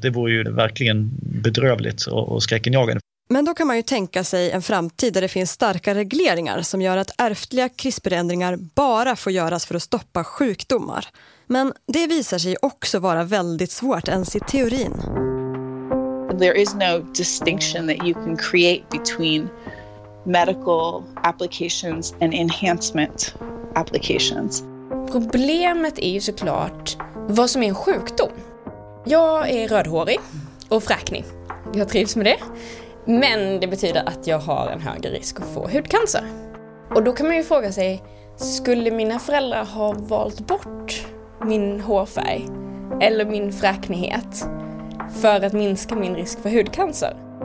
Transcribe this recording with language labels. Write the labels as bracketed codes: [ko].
[sv] Det vore ju verkligen bedrövligt och skräckenjagande. Men då kan man ju tänka sig en framtid där det finns starka regleringar som gör att ärftliga CRISPR-ändringar bara får göras för att stoppa sjukdomar. Men det visar sig också vara väldigt svårt ens i teorin. [en] There is no distinction that you can create between medical applications and enhancement applications. [sv] Problemet är ju såklart vad som är en sjukdom. Jag är rödhårig och fräknig. Jag trivs med det. Men det betyder att jag har en högre risk att få hudcancer. Och då kan man ju fråga sig, skulle mina föräldrar ha valt bort min hårfärg eller min fräknighet för att minska min risk för hudcancer?